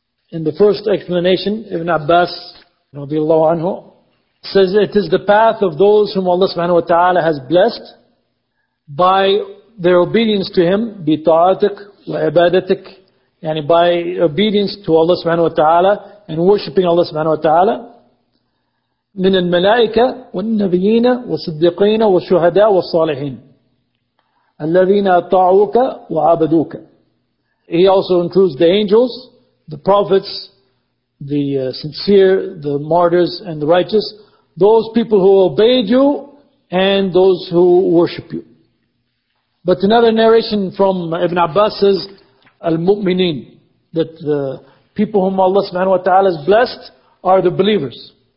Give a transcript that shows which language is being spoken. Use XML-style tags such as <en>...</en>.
<en>In the first explanation, Ibn Abbas, radiallahu anhu, says it is the path of those whom Allah subhanahu wa ta'ala has blessed by their obedience to Him,</en> <ar>بِطَاعَتِكْ وَعَبَادَتِكْ,</ar> <en>yani by obedience to Allah subhanahu wa ta'ala and worshipping Allah subhanahu wa ta'ala.</en> <ar>من الملائكة والنبيين والصديقين والشهداء والصالحين الذين أطاعوك وعبدوك.</ar> <en>He also includes the angels, the prophets, the sincere, the martyrs, and the righteous, those people who obeyed you and those who worship you. But another narration from Ibn Abbas says, Al-Mu'mineen, that the people whom Allah subhanahu wa ta'ala has blessed are the believers.</en>